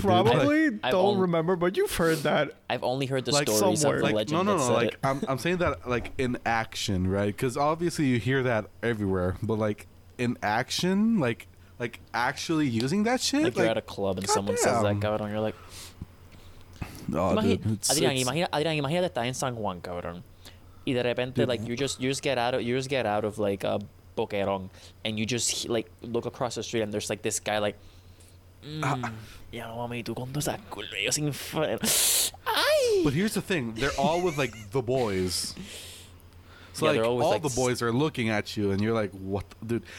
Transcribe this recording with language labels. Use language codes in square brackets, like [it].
[en] Probably don't remember, but you've heard that. I've only heard the like, stories somewhere. Of like, the legend. No. Like, it. I'm saying that, like, in action, right? Because obviously you hear that everywhere. But, like... In action, like actually using that shit. Like you're at a club and someone says that, cabrón. You're like, no, [es] Adrián, imagina que estás en San Juan, cabrón. Y de repente, [en] like you just get out of like a Boquerón, and you just like look across the street and there's like this guy like, [es] ya no mami, tú con tus culillos sin freno. Ay. [en] But here's the thing: they're all with like the boys. So yeah, like all like, the boys are looking at you, and you're like, "What, dude?"